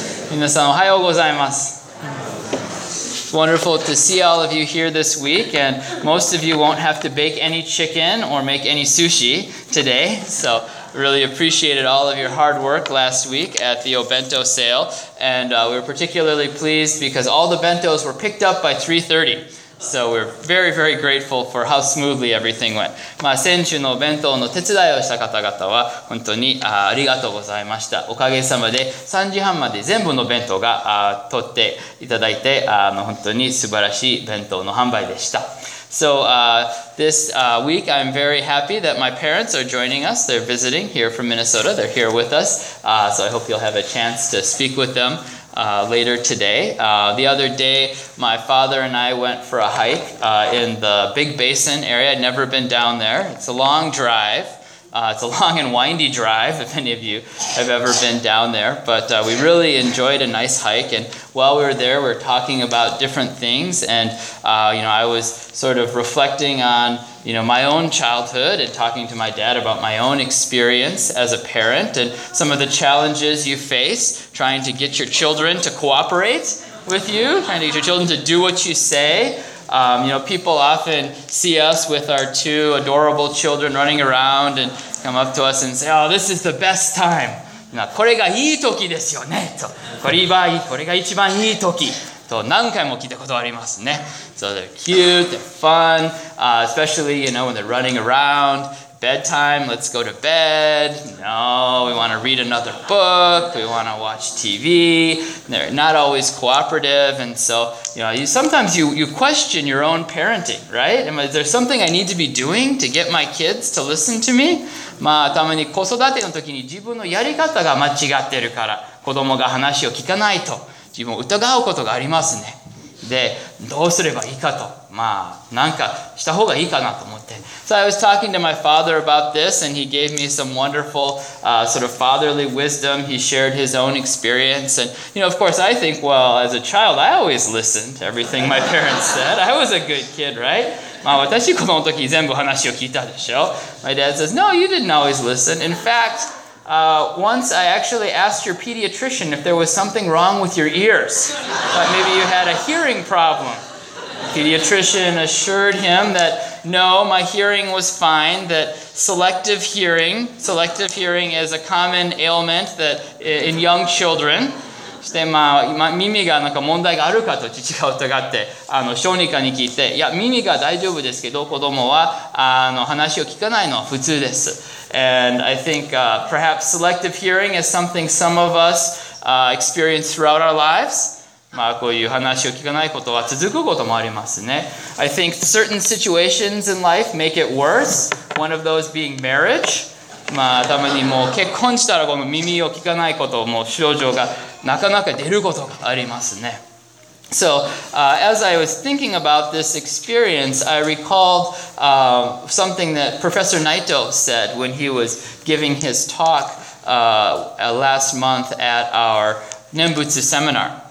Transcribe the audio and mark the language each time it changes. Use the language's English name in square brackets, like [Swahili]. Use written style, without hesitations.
[Japanese] 皆さん、 おはようございます。 [English] Wonderful to see all of you here this week, and most of you won't have to bake any chicken or make any sushi today, so really appreciated all of your hard work last week at the Obento sale, and we were particularly pleased because all the bentos were picked up by 3:30, so we're very, very grateful for how smoothly everything went. [Japanese] 先週のお弁当の手伝いをした方々は本当にありがとうございました。おかげさまで3時半まで全部の弁当が取っていただいて、本当に素晴らしい弁当の販売でした。 [English] So, this week I'm very happy that my parents are joining us. They're visiting here from Minnesota. They're here with us. So I hope you'll have a chance to speak with them. Later today. The other day, my father and I went for a hike in the Big Basin area. I'd never been down there. It's a long drive. It's a long and windy drive, if any of you have ever been down there. But we really enjoyed a nice hike. And while we were there, we were talking about different things. And, you know, I was sort of reflecting on, you know, my own childhood and talking to my dad about my own experience as a parent and some of the challenges you face trying to get your children to cooperate with you, trying to get your children to do what you say. You know, people often see us with our two adorable children running around and come up to us and say, oh, this is the best time. [Japanese] これがいい時ですよね。これが一番いい時。と何回も聞いたことありますね。 [English] So they're cute, they're fun, especially, you know, when they're running around. Bedtime, let's go to bed. No, we want to read another book. We want to watch TV. They're not always cooperative. And so, you know, sometimes you question your own parenting, right? Is there something I need to be doing to get my kids to listen to me? [Japanese] まあ、たまに子育ての時に自分のやり方が間違ってるから、子供が話を聞かないと自分を疑うことがありますね。で、どうすればいいかと、まあ、なんかした方がいいかなと思って。 [English] So I was talking to my father about this, and he gave me some wonderful, sort of fatherly wisdom. He shared his own experience. And, you know, of course, I think, well, as a child, I always listened to everything my parents said. I was a good kid, right? [Japanese] まあ、私子供の時全部話を聞いたでしょ。 [English] My dad says, no, you didn't always listen. In fact,once I actually asked your pediatrician if there was something wrong with your ears. But maybe you had a hearing problem. The pediatrician assured him that, no, my hearing was fine, that selective hearing is a common ailment that in young children. [Japanese] そして、まあ、耳がなんか問題があるかと父が疑って、小児科に聞いて、いや、耳が大丈夫ですけど、子供は、話を聞かないのは普通です。 [English] And I think, perhaps selective hearing is something some of us, experience throughout our lives. [Japanese] まあ、こういう話を聞かないことは続くこともありますね。 [English] I think certain situations in life make it worse. One of those being marriage. [Japanese] まあ、たまにもう結婚したらこの耳を聞かないこともう症状がなかなか出ることがありますね。 [English] So, as I was thinking about this experience, I recalled, something that Professor Naito said when he was giving his talk, last month at our Nembutsu seminar.